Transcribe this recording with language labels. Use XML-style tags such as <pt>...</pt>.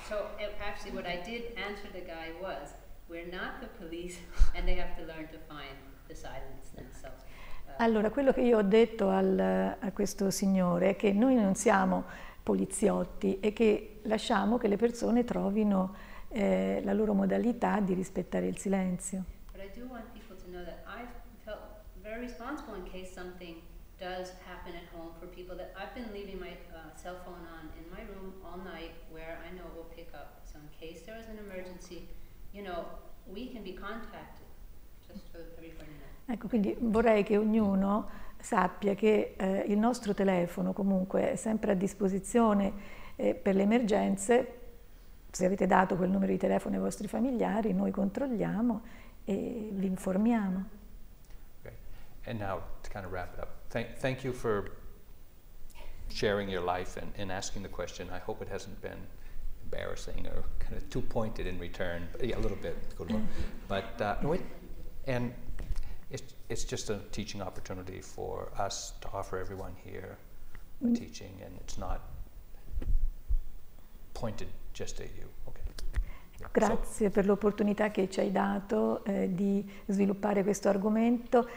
<en>So actually what I did answer the guy was, we're not the police and they have to learn to find the silence themselves.</en> <it>Allora, quello che io ho detto a questo signore è che noi non siamo poliziotti e che lasciamo che le persone trovino la loro modalità di rispettare il silenzio.</it> <en>But I do want people to know that I felt very responsible in case something does happen at home for people that I've been leaving my cell phone on in my room all night where I know it will pick up. So in case there is an emergency, you know, we can be contacted. Just for everybody knows.</en> <it>Ecco, quindi vorrei che ognuno sappia che il nostro telefono comunque è sempre a disposizione per le emergenze. Se avete dato quel numero di telefono ai vostri familiari, noi controlliamo e vi informiamo.</it> <en>Okay. And now to kind of wrap it up. Thank you for sharing your life and asking the question. I hope it hasn't been embarrassing or kind of too pointed in return. But yeah, a little bit. Good one. But and it's just a teaching opportunity for us to offer everyone here a teaching, and it's not pointed just at you. Okay.</en> <it>Grazie per l'opportunità che ci hai dato di sviluppare questo argomento.</it>